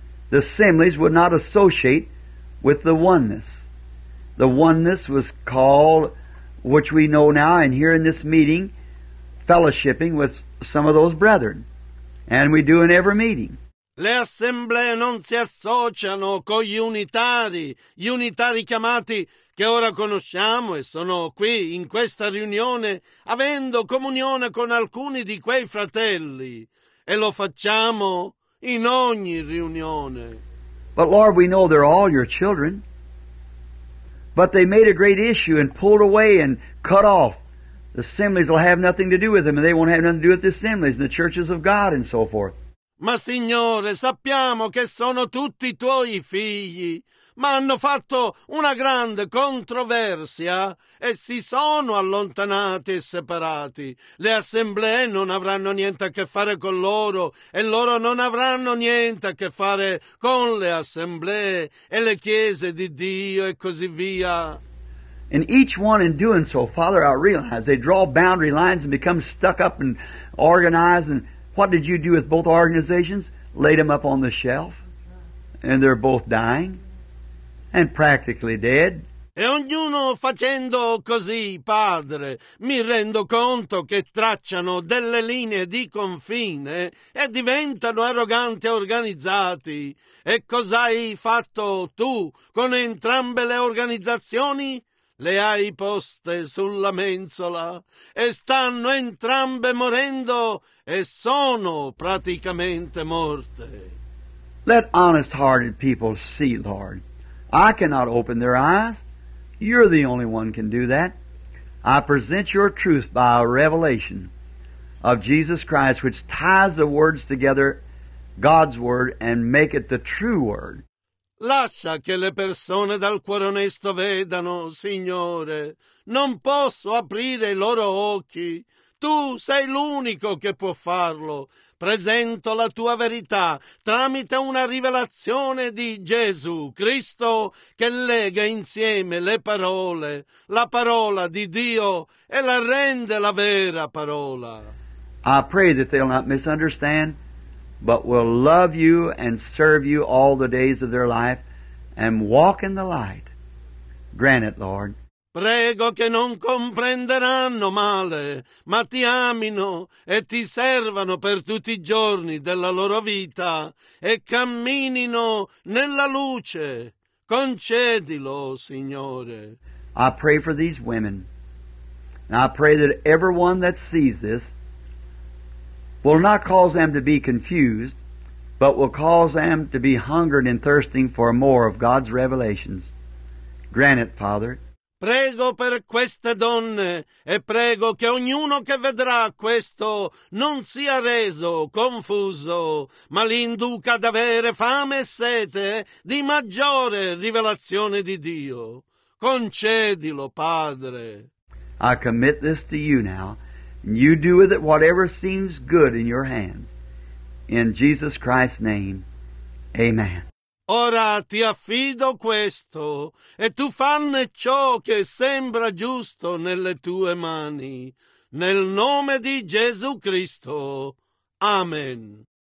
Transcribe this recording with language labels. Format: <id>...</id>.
<en>The assemblies would not associate with the oneness. The oneness was called, which we know now and here in this meeting, fellowshipping with some of those brethren. And we do in every meeting.</en> <it>Le assemblee non si associano con gli unitari chiamati che ora conosciamo e sono qui in questa riunione avendo comunione con alcuni di quei fratelli e lo facciamo in ogni riunione.</it> <en>But Lord, we know they're all your children. But they made a great issue and pulled away and cut off. The assemblies will have nothing to do with them and they won't have nothing to do with the assemblies and the churches of God and so forth.</en> <it>Ma Signore, sappiamo che sono tutti tuoi figli, ma hanno fatto una grande controversia e si sono allontanati e separati. Le assemblee non avranno niente a che fare con loro e loro non avranno niente a che fare con le assemblee e le chiese di Dio e così via.</it> <en>And each one in doing so, Father, I realize they draw boundary lines and become stuck up and organized and... What did you do with both organizations? Laid them up on the shelf. And they're both dying. And practically dead.</en> <it>E ognuno facendo così, Padre, mi rendo conto che tracciano delle linee di confine e diventano arroganti e organizzati. E cos'hai fatto tu con entrambe le organizzazioni? Le hai poste sulla mensola e stanno entrambe morendo e sono praticamente morte.</it> <en>Let honest-hearted people see, Lord. I cannot open their eyes. You're the only one can do that. I present your truth by a revelation of Jesus Christ, which ties the words together, God's word, and make it the true word.</en> <it>Lascia che le persone dal cuore onesto vedano, Signore. Non posso aprire i loro occhi. Tu sei l'unico che può farlo. Presento la tua verità tramite una rivelazione di Gesù Cristo che lega insieme le parole, la parola di Dio e la rende la vera parola.</it> <en>I pray that they'll not misunderstand, but will love you and serve you all the days of their life and walk in the light. Grant it, Lord.</en> <it>Prego che non comprenderanno male, ma ti amino e ti servano per tutti i giorni della loro vita e camminino nella luce. Concedilo, Signore.</it> <en>I pray for these women. And I pray that everyone that sees this will not cause them to be confused, but will cause them to be hungered and thirsting for more of God's revelations. Grant it, Father.</en> <it>Prego per queste donne e prego che ognuno che vedrà questo non sia reso confuso, ma li induca ad avere fame e sete di maggiore rivelazione di Dio. Concedilo, Padre.</it> <en>I commit this to you now. You do with it whatever seems good in your hands. In Jesus Christ's name, amen.</en> <it>Ora ti affido questo, e tu fanne ciò che sembra giusto nelle tue mani. Nel nome di Gesù Cristo. Amen.</it>